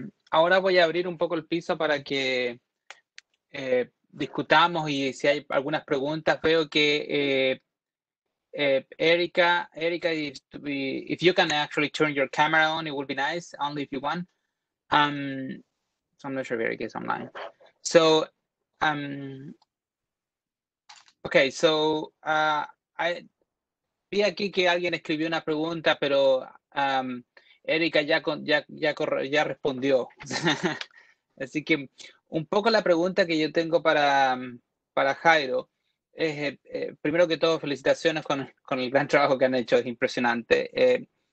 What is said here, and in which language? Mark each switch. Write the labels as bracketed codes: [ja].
[es] Ahora voy a abrir un poco el piso para que discutamos, y si hay algunas preguntas. Veo que [en] Erika, if you can actually turn your camera on, it would be nice, only if you want. So I'm not sure if Erika is online. So, okay, so I [es] vi aquí que alguien escribió una pregunta, pero Erika ya respondió. Así que un poco la pregunta que yo tengo para Jairo es, primero que todo, felicitaciones con el gran trabajo que han hecho, es impresionante.